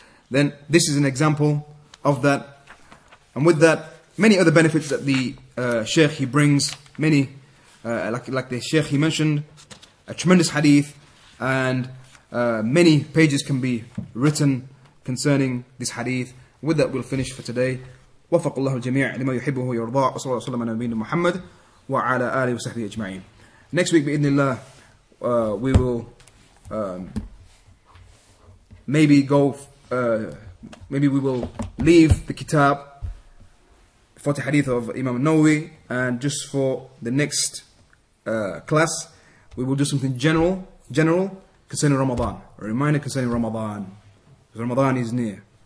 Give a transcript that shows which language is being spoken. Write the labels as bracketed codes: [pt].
[en] Then this is an example of that. And with that, many other benefits that the Sheikh he brings, many, like the Sheikh he mentioned, a tremendous hadith, and many pages can be written concerning this hadith. With that, we'll finish for today. [ar] وفق الله الجميع لما يحبه ويرضى وصلى الله وسلم على نبينا محمد وعلى آله وصحبه أجمعين. [en] Next week, [ar] بإذن الله, [en] we will maybe go, maybe we will leave the kitab for the hadith of Imam Nawawi, and just for the next class, we will do something general concerning Ramadan, a reminder concerning Ramadan, because Ramadan is near.